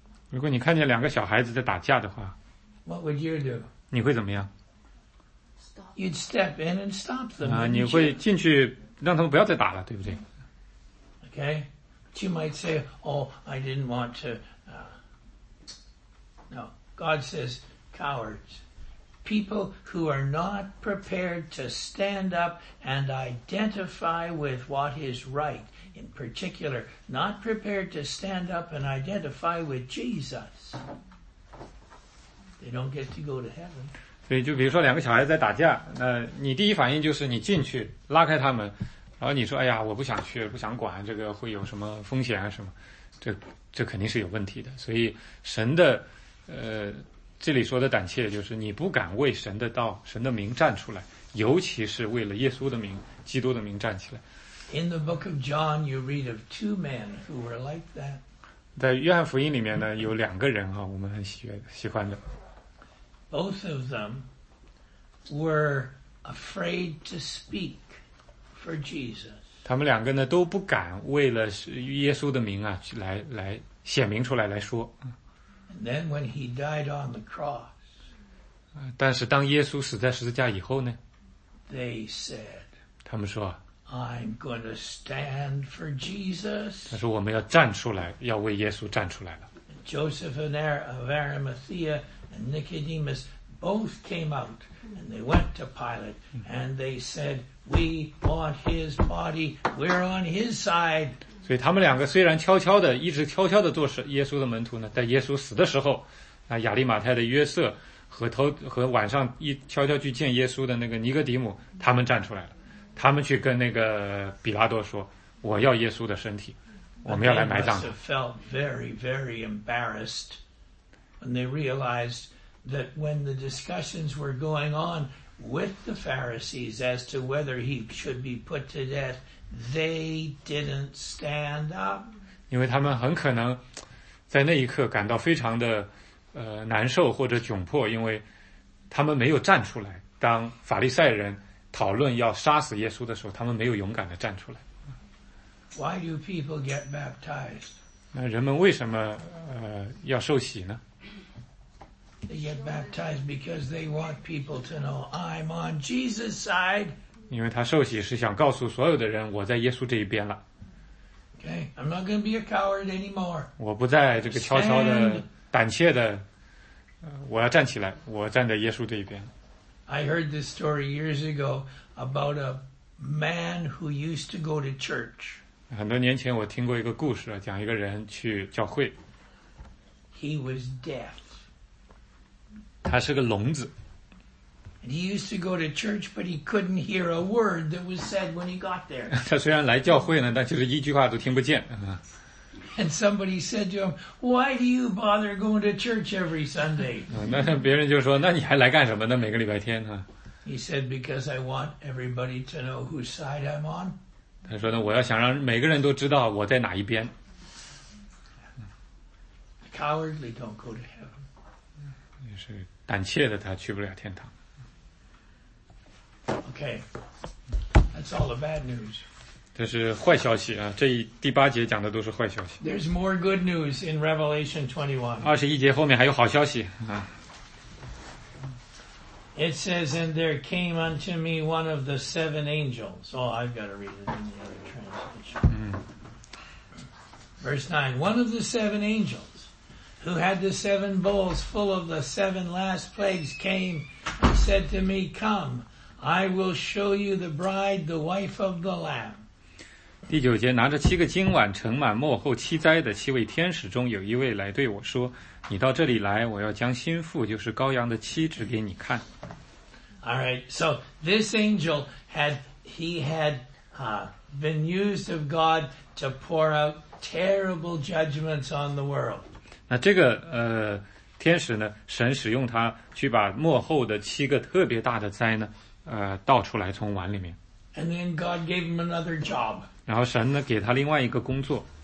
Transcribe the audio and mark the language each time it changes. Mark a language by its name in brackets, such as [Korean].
[Chinese] 如果你看见两个小孩子在打架的话 [English] ，What would you do? [Chinese] 你会怎么样 [English] ？You'd step in and stop them. [Chinese] 你会进去让他们不要再打了，对不对 [English] ？Okay, but you might say, "Oh, I didn't want to." No, God says cowards. People who are not prepared to stand up and identify with what is right, in particular, not prepared to stand up and identify with Jesus, they don't get to go to heaven. [Chinese] 所以就比如说两个小孩在打架，那你第一反应就是你进去拉开他们，然后你说哎呀，我不想去，不想管这个会有什么风险啊什么，这肯定是有问题的。所以神的这里说的胆怯就是你不敢为神的道神的名站出来，尤其是为了耶稣的名基督的名站起来。 [English] In the book of John you read of two men who were like that. [Chinese] 在约翰福音里面呢有两个人啊，我们很喜欢的。 [English] Both of them were afraid to speak for Jesus. [Chinese] 他们两个呢都不敢为了耶稣的名啊来显明出来来说。 [English] And then when he died on the cross, [Chinese] 但是当耶稣死在十字架以后呢 [English] ？They said, [Chinese] 他们说 [English] ，I'm going to stand for Jesus. [Chinese] 他说我们要站出来，要为耶稣站出来了。 [English] Joseph of Arimathea and Nicodemus both came out and they went to Pilate and they said, "We want his body. We're on his side." [Chinese] 所以他们两个虽然悄悄的一直悄悄的做耶稣的门徒呢，在耶稣死的时候，那亚利马太的约瑟和晚上一悄悄去见耶稣的那个尼哥底母，他们站出来了，他们去跟那个比拉多说，我要耶稣的身体，我们要来埋葬他。 [English] They must have felt very, very embarrassed when they realized that when the discussions were going on with the Pharisees as to whether he should be put to death,They didn't stand up. [Chinese] 因为他们很可能在那一刻感到非常的难受或者窘迫，因为他们没有站出来。当法利赛人讨论要杀死耶稣的时候，他们没有勇敢的站出来。 [English] Why do people get baptized? [Chinese] 那人们为什么要受洗呢？ [English] They get baptized because they want people to know I'm on Jesus' side. [Chinese] 因为他受洗是想告诉所有的人，我在耶稣这一边了。 [English] Okay, I'm not going to be a coward anymore. [Chinese] 我不再这个悄悄的、胆怯的，我要站起来，我站在耶稣这一边。 [English] I heard this story years ago about a man who used to go to church. [Chinese] 很多年前我听过一个故事，讲一个人去教会。 [English] He was deaf. [Chinese] 他是个聋子。 [English] And he used to go to church, but he couldn't hear a word that was said when he got there. [Chinese] 他虽然来教会呢，但就是一句话都听不见。 [English] And somebody said to him, "Why do you bother going to church every Sunday?" [Chinese] 那别人就说，那你还来干什么呢？每个礼拜天啊。 [English] He said, "Because I want everybody to know whose side I'm on." [Chinese] 他说呢，我要想让每个人都知道我在哪一边。 [English] Cowardly don't go to heaven. [Chinese] 也是胆怯的，他去不了天堂。 [English] Okay, that's all the bad news. [Chinese] 这是坏消息啊！这第八节讲的都是坏消息。 [English] There's more good news in Revelation 21. [Chinese] 二十一节后面还有好消息啊。 [English] It says, and there came unto me one of the seven angels. Oh, I've got to read it in the other translation. Verse 9. One of the seven angels who had the seven bowls full of the seven last plagues came and said to me, Come, I will show you the bride, the wife of the Lamb. [Chinese] 第九节，拿着七个金碗盛满末后七灾的七位天使中有一位来对我说，你到这里来，我要将心腹，就是羔羊的妻，指给你看。 [English] All right, so this angel had he had、been used of God to pour out terrible judgments on the world. [Chinese] 那这个天使呢，神使用他去把末后的七个特别大的灾呢，倒出来从碗里面。 [English] And then God gave him another job. [Chinese] 然后神呢，给他另外一个工作。